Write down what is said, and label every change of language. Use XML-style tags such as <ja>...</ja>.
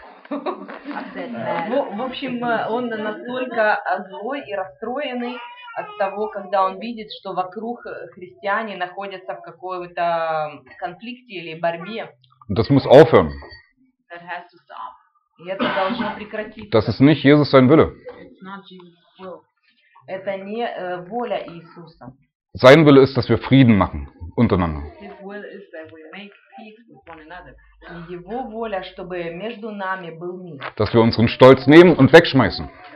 <ru>В общем, он настолько злой и расстроенный от того, когда он видит, что вокруг христиане находятся в каком-то конфликте или борьбе.</ru> <de>Das muss aufhören.</de> <en>That has to stop.</en> <ru>И это должно прекратиться.</ru> <de>Das ist nicht Jesus sein Wille.</de> <en>It's not Jesus' will.</en> <ru>Это не воля Иисуса.</ru> <de>Sein Wille ist, dass wir Frieden machen untereinander.</de> <en>His will is that we make peace with one another.</en> <ru>Его воля, чтобы между нами был мир.</ru> <de>Dass wir unseren Stolz nehmen und wegschmeißen.</de>